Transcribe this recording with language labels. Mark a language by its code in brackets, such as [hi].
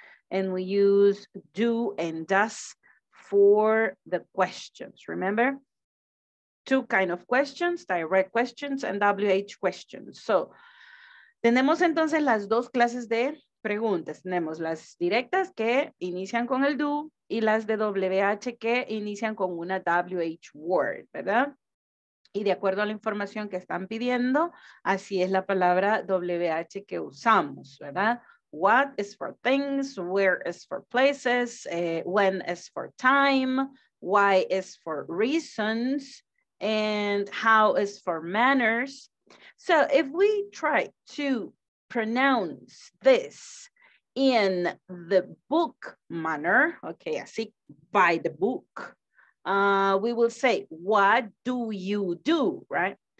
[en] And we use do and does for the questions. Remember, two kinds of questions, direct questions and WH questions. [es] So, tenemos entonces las dos clases de preguntas. Tenemos las directas que inician con el do y las de WH que inician con una WH word, ¿verdad? Y de acuerdo a la información que están pidiendo, así es la palabra WH que usamos, ¿verdad? [en] What is for things, where is for places, when is for time, why is for reasons, and how is for manners. So if we try to pronounce this in the book manner, okay, así by the book, we will say, what do you do, right?